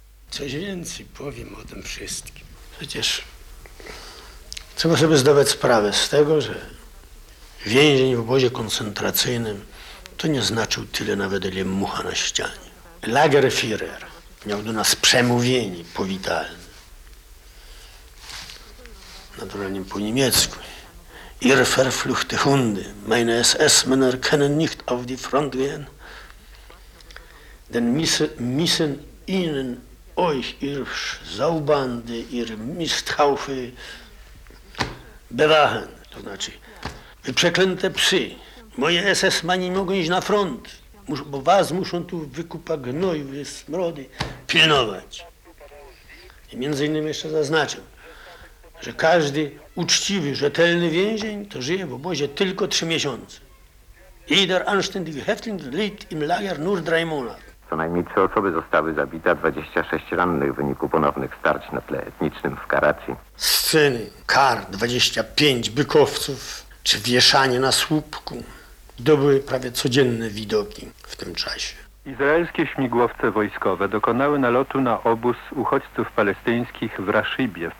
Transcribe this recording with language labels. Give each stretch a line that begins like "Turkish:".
Polish: Coś więcej powiem o tym wszystkim. Przecież trzeba sobie zdawać sprawę z tego, że więzień w obozie koncentracyjnym to nie znaczył tyle nawet, ile mucha na ścianie. Lagerführer miał do nas przemówienie powitalne. Naturalnie po niemiecku.
German: Ihr verfluchte Hunde, meine SS-Männer können nicht auf die Front gehen, denn müssen ihnen euch, ihr Saubande, ihr Misthaufe, bewachen.
Polish: To znaczy, wy przeklęte psy, moje SS-mani mogą iść na front, bo was muszą tu wykupa gnoju, smrody, pilnować. I między innymi jeszcze zaznaczę, że każdy uczciwy, rzetelny więzień to żyje w obozie tylko 3 miesiące.
German: Jeder anständige Häftling lebt im Lager nur 3 Monate.
Polish: Co najmniej 3 osoby zostały zabite, 26 rannych w wyniku ponownych starć na tle etnicznym w Karacji. Sceny kar, 25 bykowców, czy wieszanie na słupku. To były prawie codzienne widoki w tym czasie. Izraelskie śmigłowce wojskowe dokonały nalotu na obóz uchodźców palestyńskich w Raszybie.